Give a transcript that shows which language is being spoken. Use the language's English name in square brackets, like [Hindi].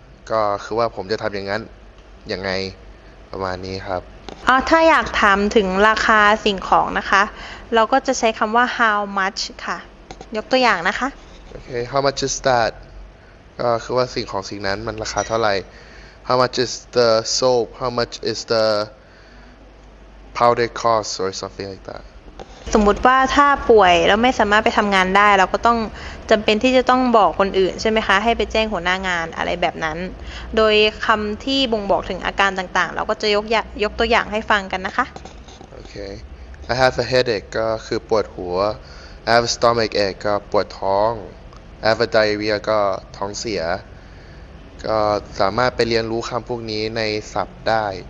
[Thai] ก็คือว่าผมจะทำอย่างนั้นยังไงประมาณนี้ครับ อ๋อถ้าอยากถามถึงราคาสิ่งของนะคะเราก็จะใช้คำว่า how much ค่ะยกตัวอย่างนะคะ [English] โอเค How much is that? [Thai] ก็คือว่าสิ่งของสิ่งนั้นมันราคาเท่าไหร่ [English] How much is the soap? How much is the powder cost or something like that? [Thai] สมมุติว่าถ้าป่วยแล้วไม่สามารถไปทำงานได้เราก็ต้องจำเป็นที่จะต้องบอกคนอื่นใช่ไหมคะให้ไปแจ้งหัวหน้างานอะไรแบบนั้นโดยคำที่บ่งบอกถึงอาการต่างๆเราก็จะยกตัวอย่างให้ฟังกันนะคะ [English] Okay. I have a headache [Thai] ก็คือปวดหัว [English] I have a stomach ache [Thai] ก็ปวดท้อง [English] I have a diarrhea [Thai] ก็ท้องเสียก็สามารถไปเรียนรู้คำพวกนี้ในศัพท์ได้